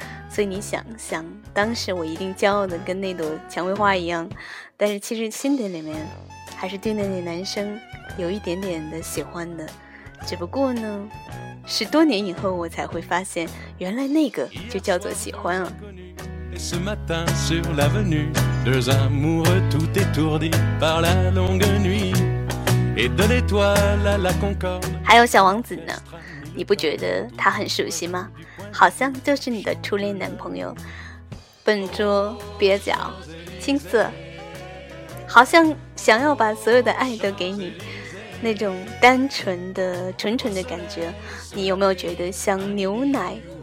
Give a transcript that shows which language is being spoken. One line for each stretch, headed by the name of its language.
Chinese: 所以你想想，当时我一定骄傲的跟那朵蔷薇花一样，但是其实心底里面还是对那男生有一点点的喜欢的，只不过呢是多年以后我才会发现，原来那个就叫做喜欢了。
French: Ce matin sur l'avenue, deux amoureux tout étourdis par la longue nuit, et de l'étoile à la concorde.
Chinese: 还有小王子呢，你不觉得他很熟悉吗？好像就是你的初恋男朋友，笨拙、蹩脚、青涩，好像想要把所有的爱都给你，那种单纯的、纯纯的感觉，你有没有觉得像牛奶？